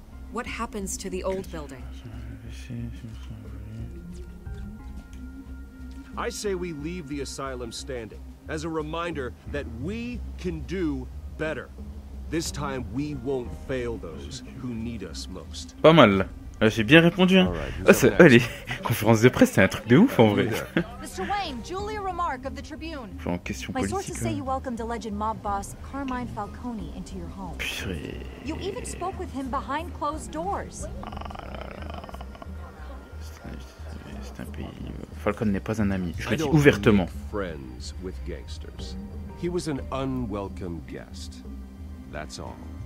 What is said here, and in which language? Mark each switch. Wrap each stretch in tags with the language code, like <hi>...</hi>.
<en>What happens to the old building? I say we leave the asylum standing as a reminder that we can do better. This time we won't fail those who need us most.</en> <fr>Pas mal. J'ai bien répondu, hein. Right, ça, allez, conférence de presse, c'est un truc de ouf en vrai.</fr> <en>Mr. Wayne, Julia Remark of the Tribune.</en> <fr>Enfin, question politique.</fr> <en>My sources say you welcomed alleged mob boss Carmine Falcone into your home.</en> <fr>Purée.</fr> <en>You even spoke with him behind closed doors.</en> <fr>Ah là là. C'est un pays. Falcone n'est pas un ami. Je le dis ouvertement.</fr> <en>Friends with gangsters. He was an unwelcome guest. That's all.</en>